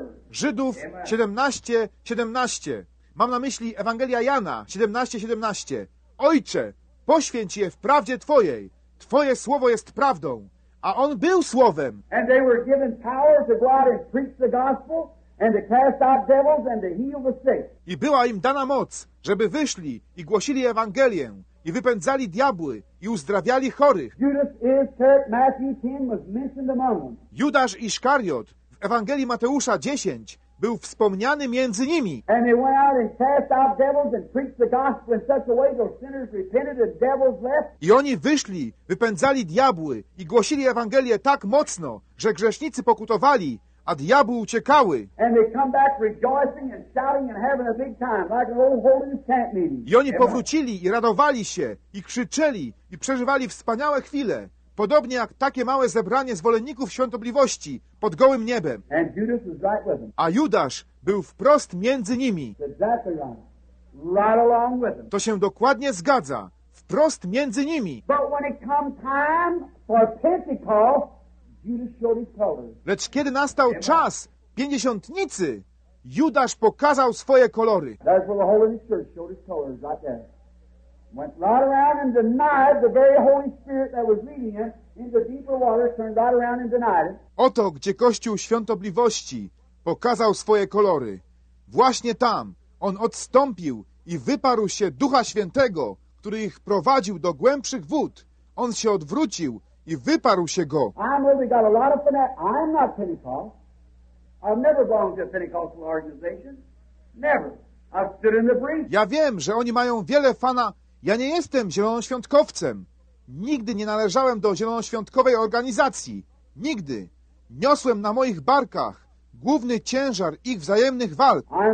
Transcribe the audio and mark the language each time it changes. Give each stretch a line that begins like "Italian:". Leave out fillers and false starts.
Polish: Żydów 17:17. Mam na myśli Ewangelia Jana 17:17. Ojcze, poświęć je w prawdzie Twojej. Twoje słowo jest prawdą. A on był słowem.
English: And they were given power to go out and preach the gospel and to cast out devils and to heal the sick.
Polish: I była im dana moc, żeby wyszli i głosili Ewangelię i wypędzali diabły i uzdrawiali chorych.
English: Judas Iscariot, Matthew 10 was mentioned among them.
Polish: Judasz Iszkariot w Ewangelii Mateusza 10 był wspomniany między nimi.
English: And they went out and cast out devils and preached the gospel in such a way that sinners repented and devils left.
Polish: I oni wyszli, wypędzali diabły i głosili Ewangelię tak mocno, że grzesznicy pokutowali, a diabły uciekały.
English: And they come back rejoicing and shouting and having a big time, like an old holiness camp meeting.
Polish: I oni powrócili i radowali się, i krzyczeli, i przeżywali wspaniałe chwile. Podobnie jak takie małe zebranie zwolenników świątobliwości pod gołym niebem.
English: And Judas was right with them.
Polish: A Judasz był wprost między nimi.
English: Exactly right. Right along with them.
Polish: To się dokładnie zgadza. Wprost między nimi.
English: But when it come time for Pentecost, Judas showed his colors.
Polish: Lecz kiedy nastał czas Pięćdziesiątnicy, Judasz pokazał swoje kolory.
English: That's where the Holy Church showed his colors, right there. Went right around and denied the very Holy Spirit that was leading him into deeper water, turned right around and denied it.
Polish: Oto, gdzie Kościół Świątobliwości pokazał swoje kolory. Właśnie tam on odstąpił i wyparł się Ducha Świętego, który ich prowadził do głębszych wód. On się odwrócił i wyparł się go.
English: I know we got a lot of fanatics. I'm not Pentecost. I've never belonged to a Pentecostal organization. Never. I've stood in the breach.
Polish: Ja wiem, że oni mają wiele fana. Ja nie jestem zielonoświątkowcem. Nigdy nie należałem do zielonoświątkowej organizacji. Nigdy. Niosłem na moich barkach główny ciężar ich wzajemnych walk.